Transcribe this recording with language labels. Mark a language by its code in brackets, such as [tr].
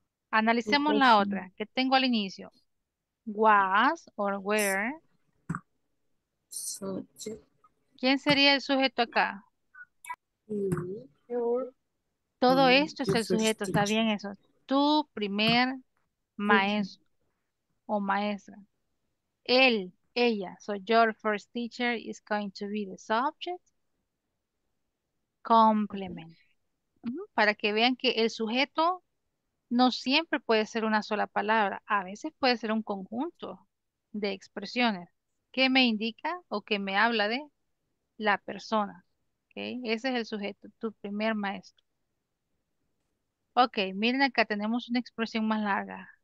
[es] Analicemos la otra. ¿Qué tengo al inicio? [en] Was or were. [es] ¿Quién sería el sujeto acá? Todo esto es el sujeto, está bien eso. Tu primer maestro o maestra. Él, ella, [en] so your first teacher is going to be the subject. Complement. [es] Para que vean que el sujeto no siempre puede ser una sola palabra. A veces puede ser un conjunto de expresiones que me indica o que me habla de la persona. ¿Okay? Ese es el sujeto, tu primer maestro. Ok, miren acá, tenemos una expresión más larga.